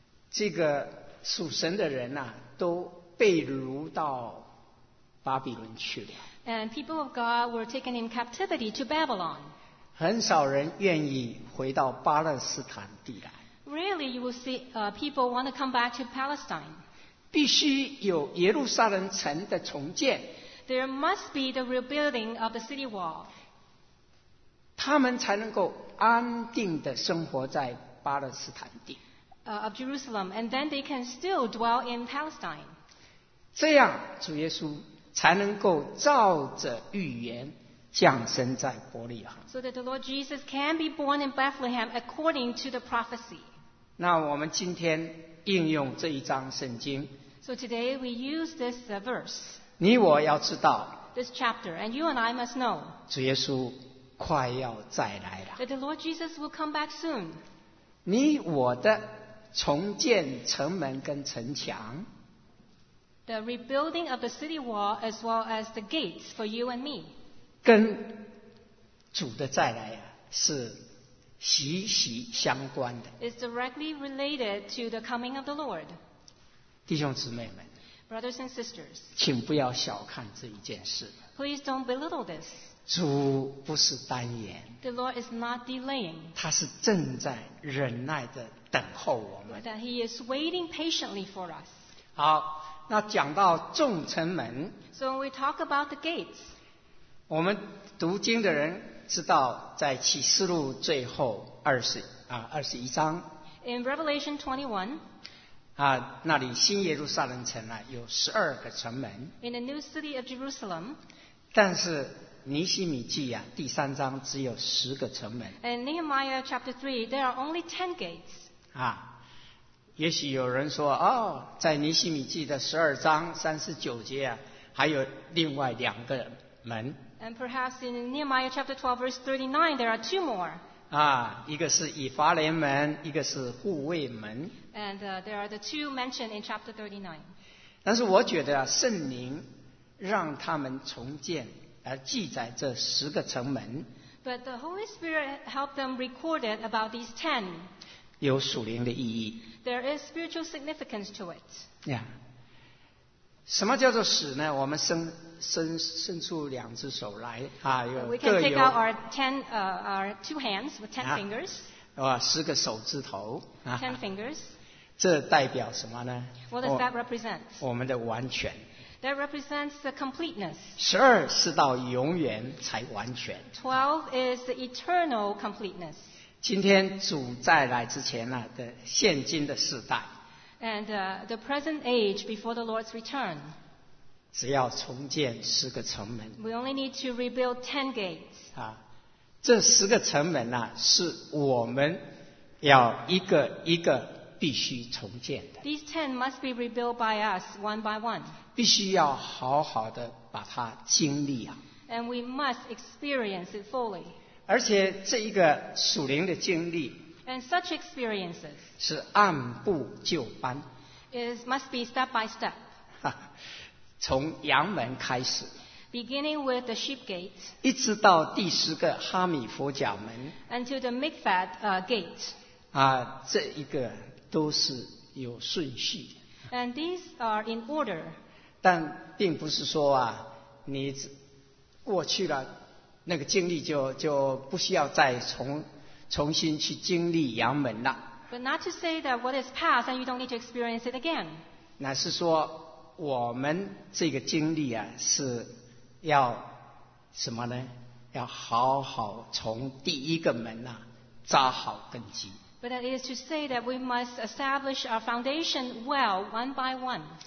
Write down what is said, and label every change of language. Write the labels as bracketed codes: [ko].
[zh] 这个属神的人啊都被掳到巴比伦去了。 [en] And people of God were taken in captivity to Babylon. [zh] 很少人愿意回到巴勒斯坦地来。 [en] Really, you will see people want to come back to Palestine. [zh] 必须有耶路撒冷城的重建。 [en] There must be the rebuilding of the city wall. [zh] 他们才能够安定的生活在巴勒斯坦地。 [en] Of Jerusalem, and then they can still dwell in Palestine. [zh] 这样主耶稣才能够照着预言降生在伯利恒。 [en] So that the Lord Jesus can be born in Bethlehem according to the prophecy. [zh] 那我们今天应用这一章圣经。 [en] So today we use this verse. [zh] 你我要知道。 [en] This chapter, and you and I must know. [zh] 主耶稣快要再来了。 [en] That the Lord Jesus will come back soon. [zh] 你我的重建城门跟城墙。 [en] The rebuilding of the city wall as well as the gates for you and me. [zh] 跟主的再来啊，是息息相关的。 [en] Is directly related to the coming of the Lord. [zh] 弟兄姊妹们， [en] Brothers and sisters, [zh] 请不要小看这一件事。 [en] Please don't belittle this. [zh] 主不是单言。 [en] The Lord is not delaying. [zh] 他是正在忍耐地等候我们。 [en] That he is waiting patiently for us. [zh] 好，那讲到众城门。 [en] So when we talk about the gates, [zh] 我们读经的人知道在启示录最后二十一章 [en] In Revelation 21 [zh] 那里新耶路撒冷城、有十二个城门 [en] In the new city of Jerusalem [zh] 但是尼希米记、第三章只有十个城门 [en] In Nehemiah chapter 3 there are only 10 gates [zh] 也许有人说在尼希米记的十二章三十九节、还有另外两个门 [en] And perhaps in Nehemiah chapter 12, verse 39, there are two more. [zh] 一个是以法莲门，一个是护卫门。 [en] And there are the two mentioned in chapter 39. [zh] 但是我觉得圣灵让他们重建，记载这十个城门。 [en] But the Holy Spirit helped them record it about these ten. [zh] 有属灵的意义。 [en] There is spiritual significance to it. [zh] Yeah. 什么叫做使呢？我们伸出两只手来有各有 [en] We can take out our two hands with ten fingers. [zh] 十个手指头 [en] Ten fingers. [zh] 这代表什么呢 [en] What does that represent? [zh] 我们的完全 [en] That represents the completeness. [zh] 十二是到永远才完全 [en] Twelve is the eternal completeness. [zh] 今天主再来之前呢的现今的世代 [en] And the present age before the Lord's return. [zh] 只要重建十个城门。 [en] We only need to rebuild ten gates. [zh] 这十个城门呢、是我们要一个一个必须重建的。 [en] These ten must be rebuilt by us one by one. [zh] 必须要好好的把它经历啊。 [en] And we must experience it fully. [zh] 而且这一个属灵的经历。 [en] And such experiences [zh] 是按部就班 [en] is must be step by step. [zh] 从阳门开始 [en] beginning with the sheep gate, [zh] 一直到第十个哈米佛角门 [en] until the mikvah gate. [zh] 啊，这一个都是有顺序 [en] and these are in order. [zh] 但并不是说啊，你过去了那个经历就不需要再重新去经历阳门了。 [en] But not to say that what is past and you don't need to experience it again. [zh] 乃是说我们这个经历啊是要什么呢？要好好从第一个门啊扎好根基。 [en] But it is to say that we must establish our foundation well one by one.